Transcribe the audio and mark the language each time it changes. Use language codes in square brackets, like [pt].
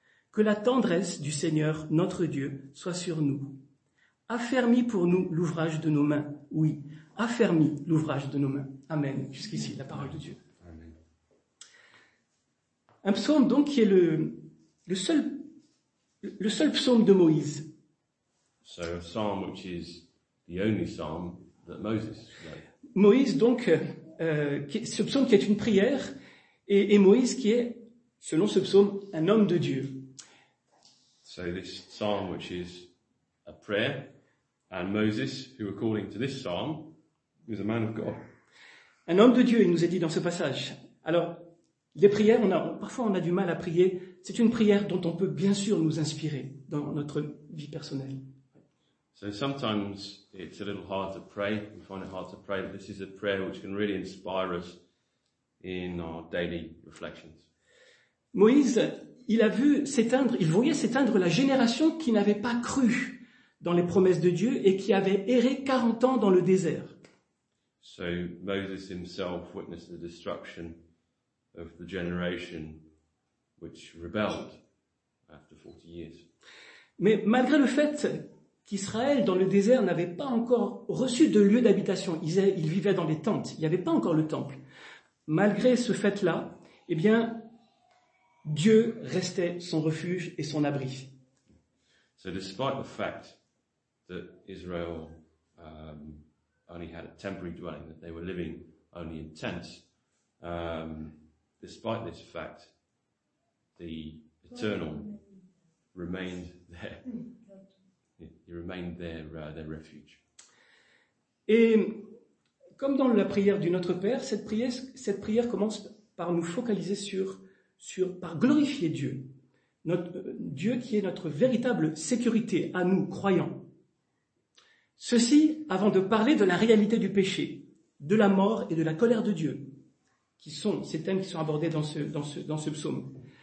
[fr] Que la tendresse du Seigneur, notre Dieu, soit sur nous. Affermis pour nous l'ouvrage de nos mains, oui, affermis l'ouvrage de nos mains. Amen. Jusqu'ici, la parole de Dieu. Amen. Un psaume donc qui est le seul psaume de Moïse. [en] So a psalm which is the only psalm that Moses wrote. [fr] Moïse donc, ce psaume qui est une prière, et Moïse qui est, selon ce psaume, un homme de Dieu. [en] So this psalm which is a prayer, and Moses, who according to this psalm, is a man of God. [fr] Un homme de Dieu, il nous est dit dans ce passage. Alors, les prières, parfois on a du mal à prier. C'est une prière dont on peut bien sûr nous inspirer dans notre vie personnelle. [en] So sometimes it's a little hard to pray. We find it hard to pray, but this is a prayer which can really inspire us in our daily reflections. [fr] Moïse, il voyait s'éteindre la génération qui n'avait pas cru dans les promesses de Dieu et qui avait erré 40 ans dans le désert. [en] So Moses himself witnessed the destruction of the generation which rebelled after 40 years. [fr] Mais malgré le fait qu'Israël dans le désert n'avait pas encore reçu de lieu d'habitation, ils vivaient dans les tentes, il n'y avait pas encore le temple. Malgré ce fait-là, eh bien Dieu restait son refuge et son abri. [en] So despite the fact that Israel only had a temporary dwelling, that they were living only in tents. Despite this fact, the eternal, remained there. He remained there, their refuge. [fr] Et comme dans la prière du Notre Père, cette prière commence par nous focaliser par glorifier Dieu, Dieu qui est notre véritable sécurité à nous, croyants. Ceci avant de parler de la réalité du péché, de la mort et de la colère de Dieu, qui sont ces thèmes qui sont abordés dans ce psaume.